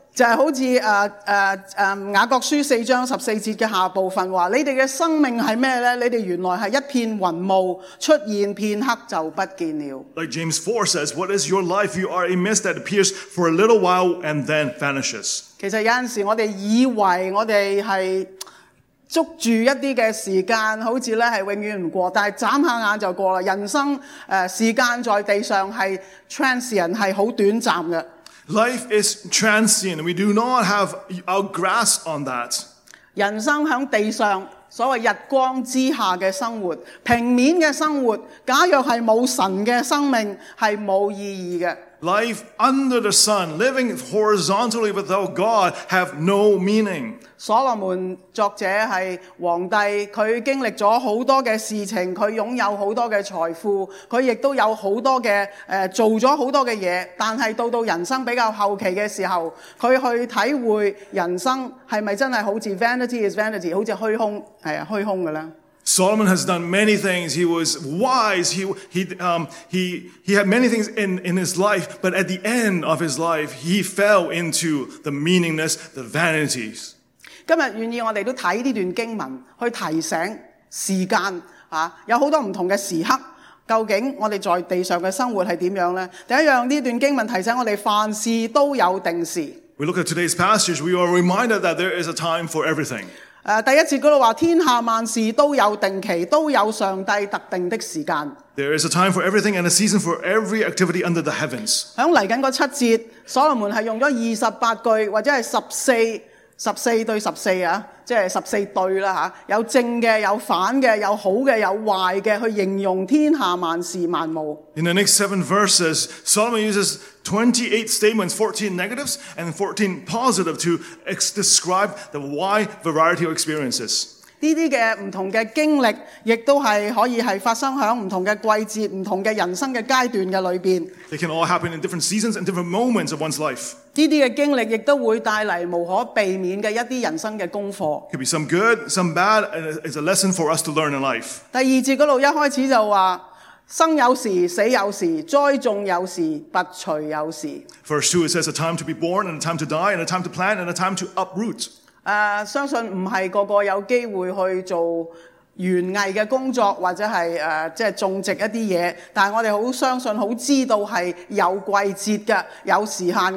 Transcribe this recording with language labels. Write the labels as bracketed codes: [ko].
[yue] 就係好似雅各書四章十四節嘅下部分話：你哋嘅生命係咩咧？你哋原來係一片雲霧，出現片刻就不見了。 [en] Like James 4 says, "What is your life? You are a mist that appears for a little while and then vanishes." [yue] 其實有陣時我哋以為我哋係捉住一啲嘅時間，好似咧係永遠唔過，但係眨下眼就過啦。人生時間在地上係 transient， 係好短暫嘅。 [en] Life is transient. We do not have our grasp on that. [yue] 人生喺地上，所謂日光之下嘅生活，平面嘅生活，假若係冇神嘅生命，係冇意義嘅。 [en] life under the sun, living horizontally without God, have no meaning. [yue] 所羅門作者是皇帝，他經歷了很多的事情，他擁有很多的財富，他亦都有很多的做了很多的事，但是到人生比較後期的時候，他去體會人生是不是真的好像 [en] vanity is vanity, [yue] 好像虛空是虛空的呢？ [en] Solomon has done many things. He was wise. He had many things in his life, but at the end of his life, he fell into the meaningless, the vanities. [yue] 今日願意我哋都睇呢段經文，去提醒時間啊，有好多唔同嘅時刻。究竟我哋在地上嘅生活係點樣咧？第一樣，呢段經文提醒我哋，凡事都有定時。 [en] We look at today's passage. We are reminded that there is a time for everything. [yue] 第一節嗰度話天下萬事都有定期，都有上帝特定的時間。 [en] There is a time for everything and a season for every activity under the heavens。 [yue] 喺嚟緊嗰七節，所羅門係用咗28句或者係14对14啊，即係14对啦，有正嘅，有反嘅，有好嘅，有壞嘅，去形容天下萬事萬物。 [en] In the next 7 verses, Solomon uses 28 statements, 14 negatives and 14 positive to describe the wide variety of experiences. [yue] 呢啲嘅唔同嘅經歷，亦都係可以係發生喺唔同嘅季節、唔同嘅人生嘅階段嘅裏邊。 [en] They can all happen in different seasons and different moments of one's life. [yue] 呢啲嘅經歷亦都會帶嚟無可避免嘅一啲人生嘅功課。 [en] Could be some good, some bad, and it's a lesson for us to learn in life. [yue] 第二節嗰度一開始就話：生有時，死有時，栽種有時，拔除有時。 [en] Verse 2 it says a time to be born and a time to die and a time to plant and a time to uproot. [yue] 相信唔係個個有機會去做園藝嘅工作，或者係即係種植一啲嘢，但係我哋好相信、好知道係有季節嘅、有時限。